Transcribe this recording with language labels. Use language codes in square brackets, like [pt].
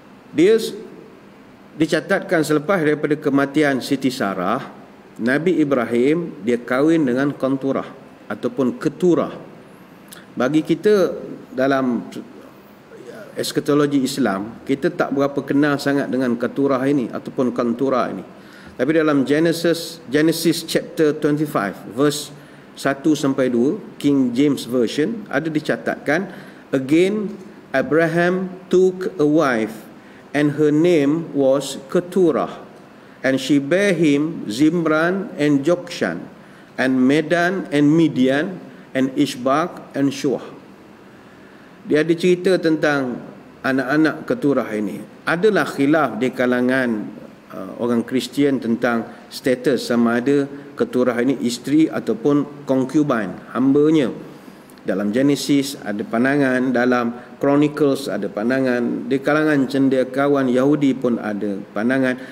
[ms] Dia dicatatkan selepas daripada kematian Siti Sarah, Nabi Ibrahim dia kahwin dengan Qanturah ataupun Keturah. Bagi kita dalam eskatologi Islam, kita tak berapa kenal sangat dengan Keturah ini ataupun Qanturah ini. Tapi dalam Genesis chapter 25 verse 1-2 King James Version ada dicatatkan, [en] again Abraham took a wife and her name was Keturah, and she bare him Zimran and Jokshan and Medan and Midian and Ishbak and Shuah. [ms] Dia ada cerita tentang anak-anak Keturah ini. Adalah khilaf di kalangan orang Kristian tentang status sama ada Keturah ini isteri ataupun concubine, hambanya. Dalam Genesis ada pandangan, dalam Chronicles ada pandangan, di kalangan cendekiawan Yahudi pun ada pandangan.